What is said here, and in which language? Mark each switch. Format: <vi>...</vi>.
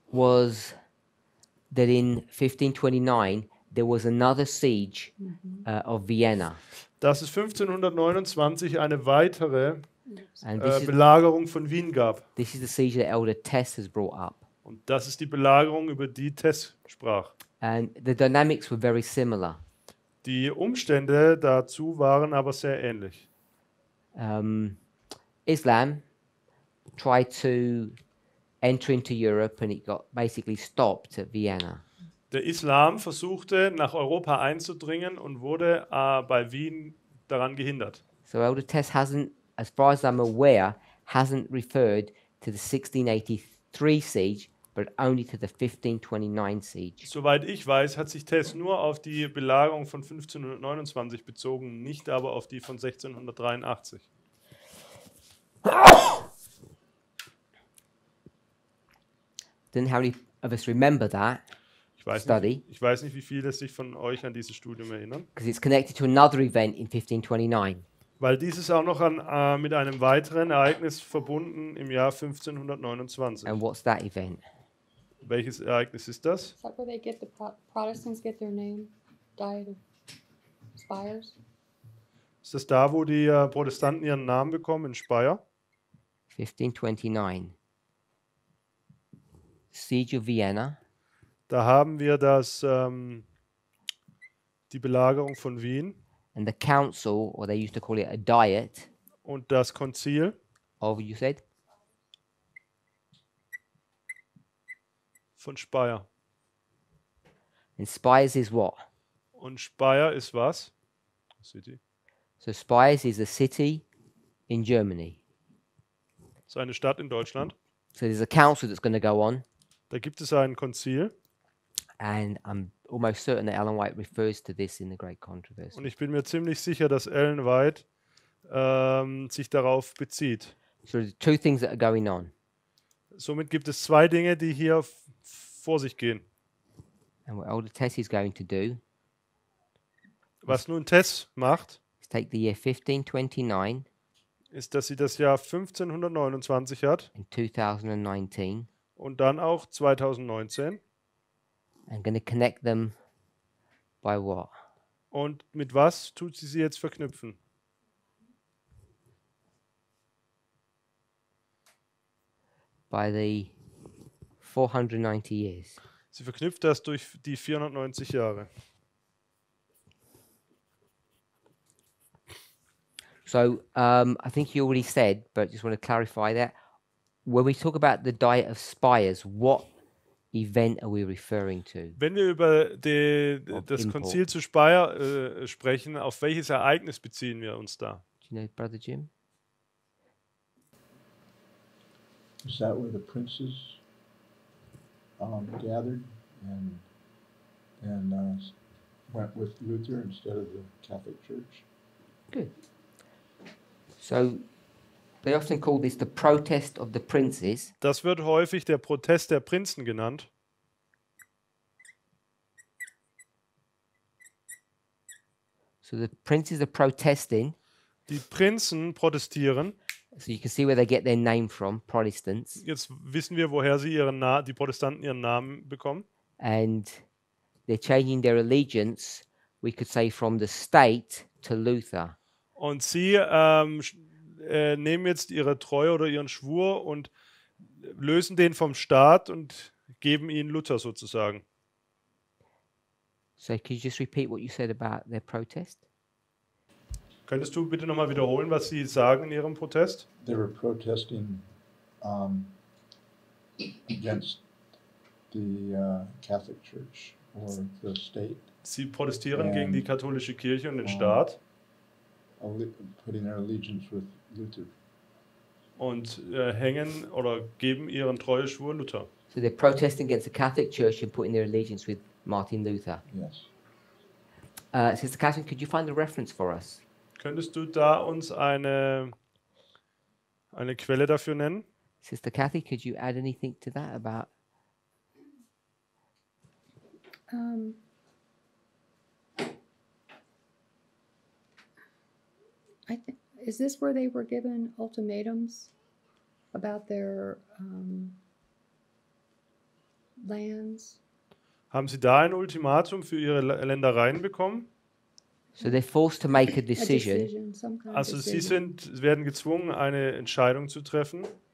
<en>was that in 1529 there was another siege of Vienna.</en> <de>Dass es 1529 eine weitere Belagerung von Wien gab.</de> <en>This is the siege that Elder Tess has brought up.</en> <de>Und das ist die Belagerung, über die Tess sprach.</de> <en>And the dynamics were very similar.</en> <de>Die Umstände dazu waren aber sehr ähnlich.</de> <en>Islam tried to enter into Europe and it got basically stopped at Vienna.</en> <de>Der Islam versuchte, nach Europa einzudringen und wurde bei Wien daran gehindert.</de> <en>So Elder Tess hasn't, as far as I'm aware, hasn't referred to the 1683 siege, but only to the 1529 siege.</en> <de>Soweit ich weiß, hat sich Tess nur auf die Belagerung von 1529 bezogen, nicht aber auf die von 1683.</de> <en>Didn't how many of us remember that?</en> <de>Ich weiß nicht, wie viele sich von euch an dieses Studium erinnern.</de> <en>Because it's connected to another event in 1529.</en> <de>Weil dieses auch noch an mit einem weiteren Ereignis verbunden im Jahr 1529.</de> <en>And what's that event?</en> <de>Welches Ereignis ist das?</de> <en>Is that where they get the Protestants get their name, Diet of Spires?</en> <de>Ist das da, wo die Protestanten ihren Namen bekommen in Speyer?</de> <en>1529. Siege of Vienna.</en> <de>Da haben wir das die Belagerung von Wien.</de> <en>And the council, or they used to call it a diet.</en> <de>Und das Konzil.</de> <en>Of, you said?</en> <de>Von Speyer.</de> <en>And Spires is what?</en> <de>Und Speyer ist was?</de> <en>City. So Spires is a city in Germany.</en> <de>So eine Stadt in Deutschland.</de> <en>So there's a council that's going to go on.</en> <de>Da gibt es ein Konzil.</de> <en>And I'm almost certain that Ellen White refers to this in the Great Controversy.</en> <de>Und ich bin mir ziemlich sicher, dass Ellen White sich darauf bezieht.</de> <en>So there's two things that are going on.</en> <de>Somit gibt es zwei Dinge, die hier vor sich gehen.</de> <en>And what Elder Tess is going to do?</en> <de>Was nun Tess macht?</de> <en>Is take the year 1529.</en> <de>Ist, dass sie das Jahr 1529 hat.</de> <en>In 2019.</en> <de>Und dann auch 2019.</de> <en>I'm going to connect them by what?</en> <de>Und mit was tut sie jetzt verknüpfen?</de> <en>By the 490 years.</en> <de>Sie verknüpft das durch die 490 Jahre.</de> <en>So, I think you already said, but I just want to clarify that. When we talk about the Diet of Spires, what event are we referring to?</en> <de>Wenn wir über das Konzil zu Speyer sprechen, auf welches Ereignis beziehen wir uns da?</de> <en>Do you know, Brother Jim? Is that where the princes gathered and went with Luther instead of the Catholic Church? Good. So they often call this the protest of the princes.</en> <de>Das wird häufig der Protest der Prinzen genannt.</de> <en>So the princes are protesting.</en> <de>Die Prinzen protestieren.</de> <en>So you can see where they get their name from, Protestants.</en> <de>Jetzt wissen wir, woher sie die Protestanten ihren Namen bekommen.</de> <en>And they're changing their allegiance, we could say, from the state to Luther.</en> <de>Und sie nehmen jetzt ihre Treue oder ihren Schwur und lösen den vom Staat und geben ihn Luther sozusagen.</de> <en>So, could you just repeat what you said about their protest?</en> <de>Könntest du bitte nochmal wiederholen, was sie sagen in ihrem Protest?</de> <en>They were protesting against the Catholic Church or the state.</en> <de>Sie protestieren gegen die katholische Kirche und den Staat.</de> <en>Putting their allegiance with Luther.</en> <de>Und hängen oder geben ihren Treueschwur Luther.</de> <en>So they're protesting against the Catholic Church and putting their allegiance with Martin Luther. Yes. Sister Catherine, could you find a reference for us?</en> <de>Könntest du da uns eine Quelle dafür nennen?</de> <en>Sister Kathy, could you add anything to that about? Is this where they were given ultimatums about their lands?</en> <de>Haben Sie da ein Ultimatum für Ihre Ländereien bekommen?</de> <en>So they're forced to make a decision.</en> <de>Also sie werden gezwungen, eine Entscheidung zu treffen.</de>